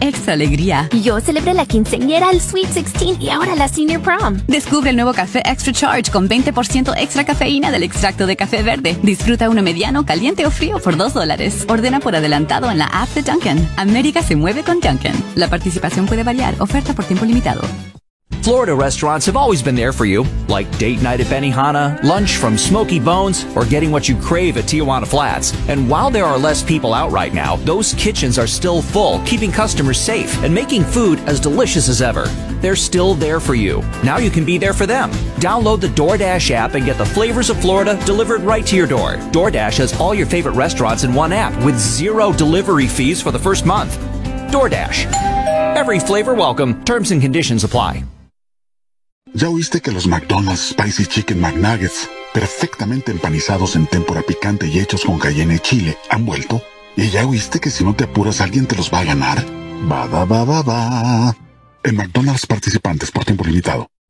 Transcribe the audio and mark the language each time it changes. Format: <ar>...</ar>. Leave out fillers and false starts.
<es>¡Extra alegría! Yo celebré la quinceañera, el Sweet 16 y ahora la Senior Prom. Descubre el nuevo café Extra Charge con 20% extra cafeína del extracto de café verde. Disfruta uno mediano, caliente o frío por $2. Ordena por adelantado en la app de Dunkin'. América se mueve con Dunkin'. La participación puede variar. Oferta por tiempo limitado.</es> <en>Florida restaurants have always been there for you, like date night at Benihana, lunch from Smoky Bones, or getting what you crave at Tijuana Flats. And while there are less people out right now, those kitchens are still full, keeping customers safe and making food as delicious as ever. They're still there for you. Now you can be there for them. Download the DoorDash app and get the flavors of Florida delivered right to your door. DoorDash has all your favorite restaurants in one app with zero delivery fees for the first month. DoorDash. Every flavor welcome. Terms and conditions apply.</en> <es>¿Ya oíste que los McDonald's Spicy Chicken McNuggets, perfectamente empanizados en tempura picante y hechos con cayenne y chile, han vuelto? ¿Y ya oíste que si no te apuras alguien te los va a ganar? Ba da ba ba ba. En McDonald's participantes por tiempo limitado.</es>